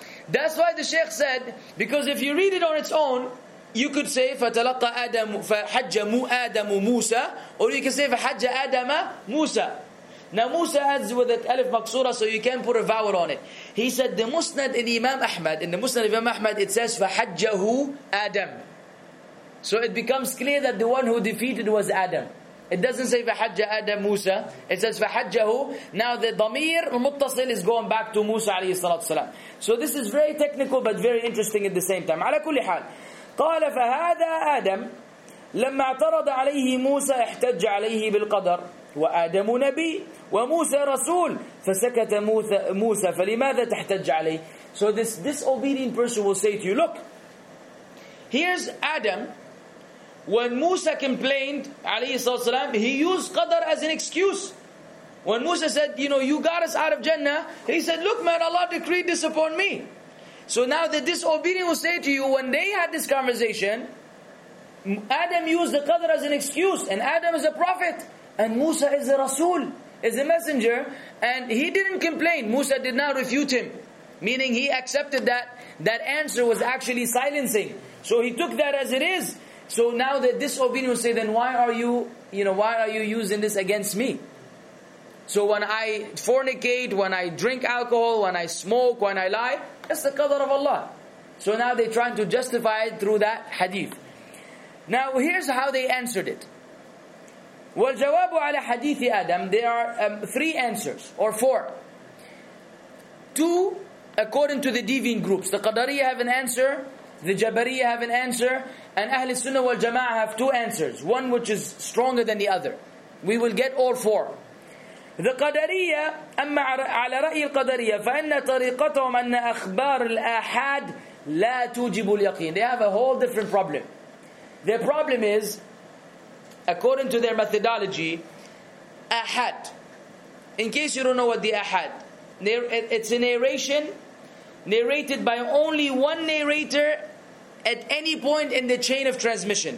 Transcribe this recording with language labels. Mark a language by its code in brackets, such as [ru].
[en] that's why the Sheikh said because if you read it on its own you could say [ar] فتلقى آدم فحج آدم موسى [en] or you can say [ar] فحج آدم موسى [en] now موسى adds with it ألف مكسورة so you can put a vowel on it he said the مسند الإمام أحمد in the مسند الإمام أحمد it says [ar] فحجه آدم [en] So it becomes clear that the one who defeated was Adam. It doesn't say [ar] فَحَجَّ آدَم مُوسَى [en] It says فَحَجَّهُ Now the ضمير المتصل is going back to موسى [ar] عليه الصلاة والسلام. [en] So this is very technical but very interesting at the same time. [ar] على كل حال قال فهذا آدم لما اعترض عليه موسى احتج عليه بالقدر وآدم نبي وموسى رسول فسكت موسى فلماذا تحتج عليه [en] So this disobedient person will say to you look Here's Adam. When Musa complained, [ar] عليه الصلاة والسلام, [en] he used Qadr as an excuse. When Musa said, you know, you got us out of Jannah, he said, look man, Allah decreed this upon me. So now the disobedient will say to you, when they had this conversation, Adam used the Qadr as an excuse. And Adam is a prophet. And Musa is a Rasul, is a messenger. And he didn't complain. Musa did not refute him. Meaning he accepted that answer was actually silencing. So he took that as it is. So now the disobedient will say, then why are you using this against me? So when I fornicate, when I drink alcohol, when I smoke, when I lie, that's the qadr of Allah. So now they're trying to justify it through that hadith. Now here's how they answered it. [ar] وَالْجَوَابُ عَلَى حَدِيثِ Adam. [en] There are three answers, or four. Two, according to the deviant groups. The Qadariyah have an answer. The Jabariyah have an answer. And Ahl al-Sunnah wal-Jama'ah have two answers. One which is stronger than the other. We will get all four. [ar] The Qadariyah, أَمَّا عَلَى رَأِي الْقَدَرِيَّةِ فَإِنَّ طَرِيقَتَهُمْ أَنَّ أَخْبَارِ الْآحَادِ لَا تُوجِبُ الْيَقِينِ [en] They have a whole different problem. Their problem is, according to their methodology, أحد. In case you don't know what the أحد, it's a narration narrated by only one narrator at any point in the chain of transmission.